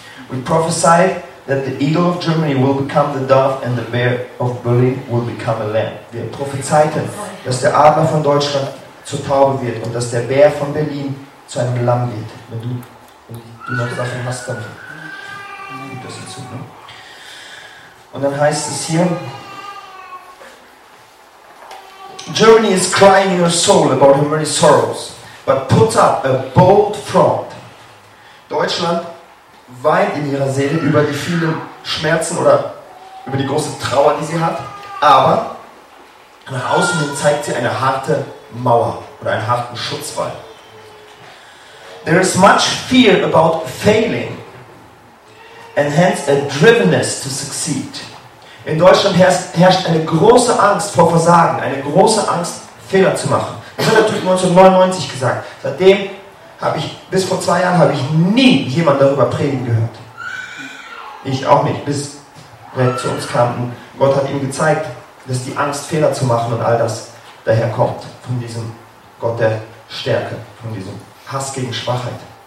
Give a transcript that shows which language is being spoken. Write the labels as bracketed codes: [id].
[en] We prophesied that the eagle of Germany will become the dove and the bear of Berlin will become a lamb. [de] Wir prophezeiten, dass der Adler von Deutschland zur Taube wird und dass der Bär von Berlin zu einem Lamm wird. Wenn du noch Sachen hast, dann gib das hinzu. Ne? Und dann heißt es hier, [en] Germany is crying in her soul about her many sorrows, but puts up a bold front. [de] Deutschland weint in ihrer Seele über die vielen Schmerzen oder über die große Trauer, die sie hat, aber nach außen hin zeigt sie eine harte Mauer oder einen harten Schutzwall. [en] There is much fear about failing and hence a drivenness to succeed. [de] In Deutschland herrscht eine große Angst vor Versagen, eine große Angst, Fehler zu machen. Das hat natürlich 1999 gesagt. Seitdem habe ich, bis vor 2 Jahren, habe ich nie jemand darüber predigen gehört. Ich auch nicht, bis er zu uns kam. Und Gott hat ihm gezeigt, dass die Angst, Fehler zu machen und all das daher kommt, von diesem Gott der Stärke, von diesem Hass gegen Schwachheit.